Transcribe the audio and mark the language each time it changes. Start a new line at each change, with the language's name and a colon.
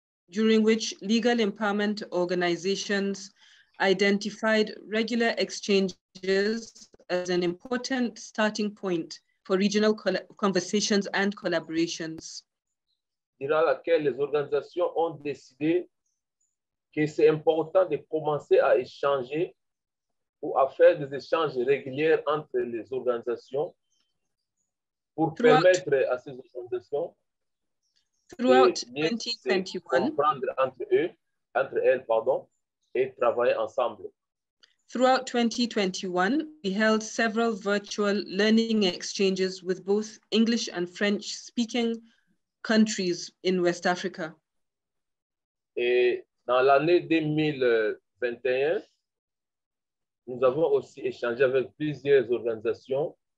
English: during which legal empowerment organizations identified regular exchanges as an important starting point for regional conversations and collaborations.
French: Durant laquelle les organisations ont décidé que c'est important de commencer à échanger ou à faire des échanges réguliers entre les organisations pour permettre à ces organisations
English: throughout 2021,
French: entre elles, et travailler ensemble.
English: Throughout 2021, we held several virtual learning exchanges with both English and French speaking countries in West Africa.
French: Et dans l'année 2021, nous avons aussi échangé avec plusieurs organisations